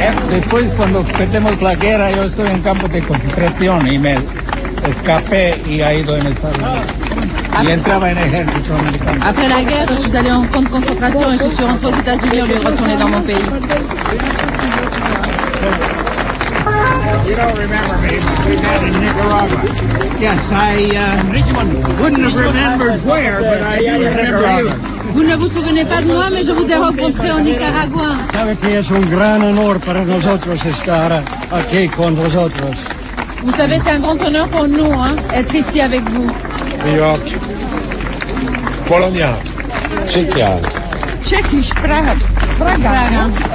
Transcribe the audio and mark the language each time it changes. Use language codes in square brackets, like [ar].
[es] Después, cuando perdemos la guerra, yo estoy en campo de concentración y me escapé y ha ido en Estados Unidos. [it] Il entrava in esercito americano. [fr] Après la guerre, je suis allé en camp de concentration et je suis rentré aux États-Unis au lieu de retourner dans mon pays. [en] You don't remember me, we met in Nicaragua. Yes, I wouldn't have remembered where, but I do remember you. [fr] Vous ne vous souvenez pas de moi, mais je vous ai rencontré en Nicaragua. [es] Sabes que es un gran honor para nosotros estar aquí con vosotros. [fr] Vous savez, c'est un grand honneur pour nous, hein, être ici avec vous. New York, Polonia, Czechia, Czechisch, Praga. Praga.